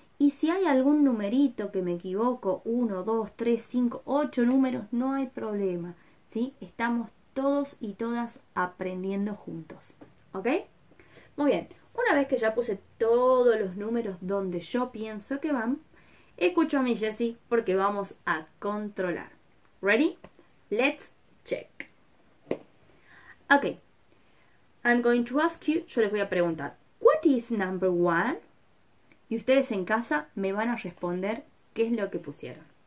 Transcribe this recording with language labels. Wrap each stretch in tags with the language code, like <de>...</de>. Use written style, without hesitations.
<es>Y si hay algún numerito que me equivoco, 1, 2, 3, 5, 8 números, no hay problema. ¿Sí? Estamos todos y todas aprendiendo juntos. ¿Ok? Muy bien, una vez que ya puse todos los números donde yo pienso que van, escucho a mi Jessie porque vamos a controlar.</es> <en>¿Ready? Let's check. Okay, I'm going to ask you,</en> <es>yo les voy a preguntar,</es> <en>what is number one?</en> <es>Y ustedes en casa me van a responder qué es lo que pusieron.</es>